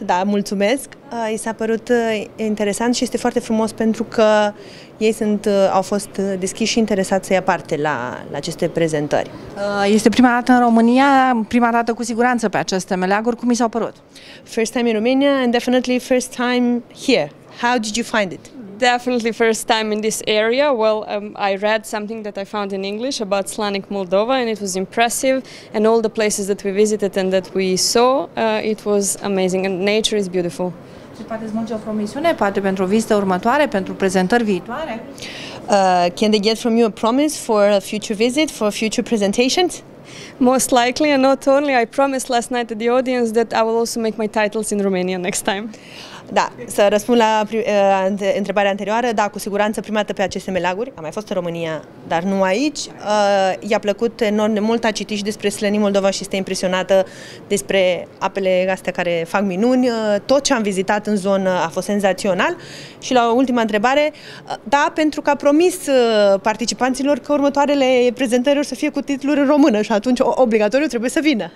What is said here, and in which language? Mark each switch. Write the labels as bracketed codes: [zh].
[ro] da, mulțumesc, i s-a părut interesant și este foarte frumos pentru că ei sunt, au fost deschiși și interesați să ia parte la aceste prezentări. Este prima dată în România, prima dată cu siguranță pe aceste meleaguri, cum i s-au părut? [en] First time in Romania and definitely first time here. How did you find it? Definitely first time in this area. Well, I read something that I found in English about Slanik Moldova and it was impressive, and all the places that we visited and that we saw, it was amazing and nature is beautiful. [ro] Și poate îți mulți o promisiune, poate pentru vizită următoare, pentru prezentări viitoare. [en] Can they get from you a promise for a future visit, for future presentations? Most likely, and not only, I promised last night to the audience that I will also make my titles in Romania next time. [ro] Da, să răspund la întrebarea anterioară, da, cu siguranță prima dată pe aceste meleaguri, am mai fost în România, dar nu aici. I-a plăcut enorm de mult, a citit și despre Slănim Moldova și este impresionată despre apele astea care fac minuni. Tot ce am vizitat în zonă a fost senzațional. Și la ultima întrebare, da, pentru că a promis participanților că următoarele prezentări o să fie cu titluri în română și atunci obligatoriu trebuie să vină.